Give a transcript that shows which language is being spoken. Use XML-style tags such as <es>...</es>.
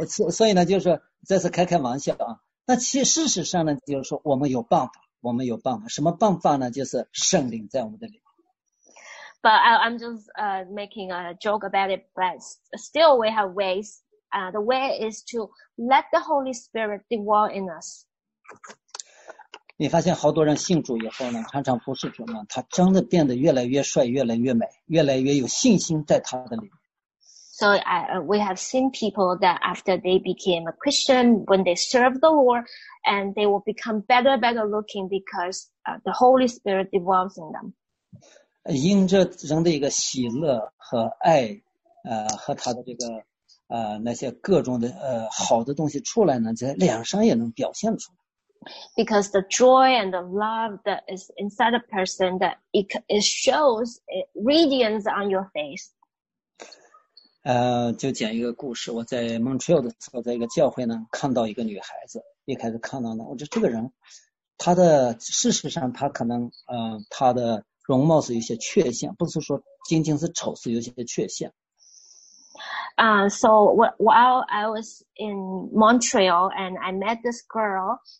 <zh>所以呢，就是这是开开玩笑啊。那其实事实上呢，就是说我们有办法。什么办法呢？就是圣灵在我们的里面。</zh> <en>But I'm just making a joke about it. But still, we have ways. The way is to let the Holy Spirit dwell in us.</en> <zh>你发现好多人信主以后呢，常常服侍主呢，他真的变得越来越帅，越来越美，越来越有信心在他的里面。</zh> <en>So we have seen people that after they became a Christian, when they serve the Lord, and they will become better looking because the Holy Spirit dwells in them.</en> <zh>因着人的一个喜乐和爱，和他的这个那些各种的好的东西出来呢，在脸上也能表现出来。</zh> <en>Because the joy and the love that is inside a person, that it shows, it radiance on your face.</en> <zh>就讲一个故事。我在 Montreal 的时候，在一个教会呢，看到一个女孩子。一开始看到呢，我觉得这个人，她的事实上，她可能，她的容貌是有些缺陷，不是说仅仅是丑，是有些缺陷。</zh> <en>So while I was in Montreal and I met this girl.</en>